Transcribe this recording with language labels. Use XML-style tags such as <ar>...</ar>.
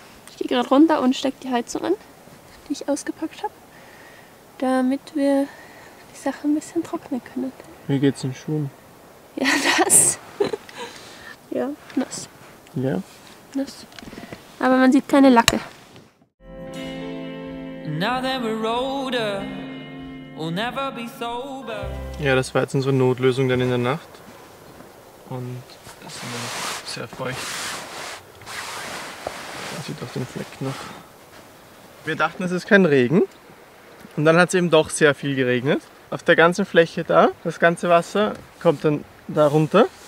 <de>Ich gehe gerade runter und stecke die Heizung an, die ich ausgepackt habe, damit wir die Sachen ein bisschen trocknen können. Wie geht's den Schuhen? Ja, das. Ja, nass. Ja? Nass. Aber man sieht keine Lacke.</de> <en>Now that we're older, we'll never be sober.</en> <de>Ja, das war jetzt unsere Notlösung dann in der Nacht. Und es ist immer noch sehr feucht. Man sieht auch den Fleck noch. Wir dachten, es ist kein Regen. Und dann hat es eben doch sehr viel geregnet. Auf der ganzen Fläche da, das ganze Wasser kommt dann da runter.</de>